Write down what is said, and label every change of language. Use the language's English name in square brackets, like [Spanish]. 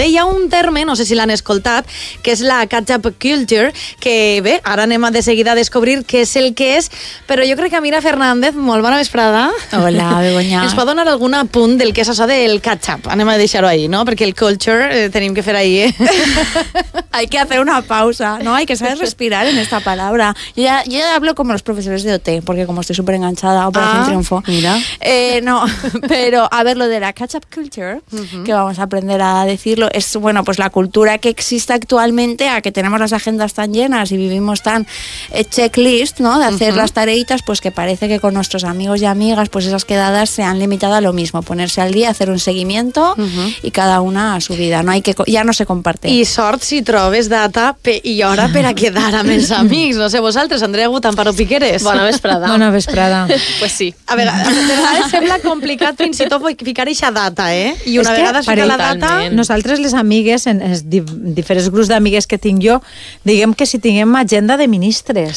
[Catalan] Hi ha un terme, no sé si l'han escoltat, que és la catch-up culture, que bé, ara anem de seguida a descobrir què és el que és, però jo crec que Mira Fernández, molt bona vesprada. Hola, ens pot donar algun apunt del que és això del catch-up? Anem a deixar-ho ahí, no? Perquè el culture tenim que fer ahí, eh? [Spanish] Hay que hacer una pausa, ¿no? Hay que saber respirar en esta palabra. Yo hablo como los profesores de OT, porque como estoy súper enganchada, Operación Triunfo. Mira. No, pero a ver, lo de la catch-up culture, que vamos a aprender a decirlo, es, bueno, pues la cultura que existe actualmente, a que tenemos las agendas tan llenas y vivimos tan checklist, ¿no? De hacer las tareitas, pues que parece que con nuestros amigos y amigas, pues esas quedadas se han limitado a lo mismo, ponerse al día, hacer un seguimiento y cada una a su vida, no hay que, ya no se comparte. [Catalan] I sort si trobes data i hora per a quedar amb els amics, no sé vosaltres, Andrea Gutamparo Piqueres. Bona vesprada. Bona vesprada. [Spanish] Pues sí. [Catalan] A veure, a vegades sembla complicat fins i tot ficar eixa data, eh? I una es vegada fica la data... Nosaltres les amigues, en els diferents grups d'amigues que tinc jo, diguem que si tinguem agenda de ministres.